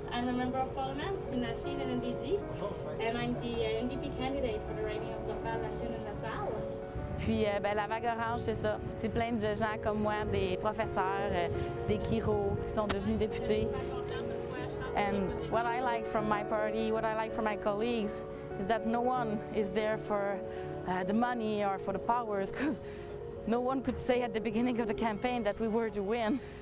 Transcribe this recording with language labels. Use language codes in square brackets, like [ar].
[en] I'm a member of parliament from Nation and NDG. And I'm the NDP candidate for the riding of Laval, Nation and LaSalle. [fr] Puis ben, la vague orange, c'est ça. C'est plein de gens comme moi, des professeurs, des chiros qui sont devenus députés. [en] And what I like from my party, what I like from my colleagues, is that no one is there for the money or for the powers, because no one could say at the beginning of the campaign that we were to win.